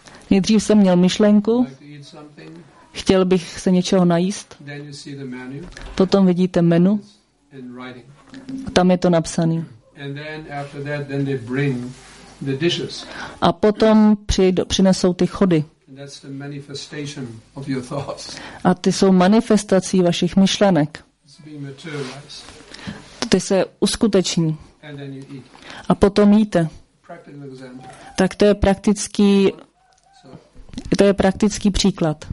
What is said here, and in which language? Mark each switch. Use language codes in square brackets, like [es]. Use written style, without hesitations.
[cs] Nejdřív jsem měl myšlenku, chtěl bych se něčeho najíst. [en] Then you see the menu. [cs] Potom vidíte menu. [en] In writing. [cs] A tam je to napsané. [en] And then after that, then they bring the dishes. [cs] A potom přinesou ty chody. [en] That's the manifestation of your thoughts. [cs] A ty jsou manifestací vašich myšlenek. [en] It's being materialized. [cs] Ty se uskuteční. [en] And then you eat. [cs] A potom jíte. [en] Practical example. [cs] Tak to je praktický příklad.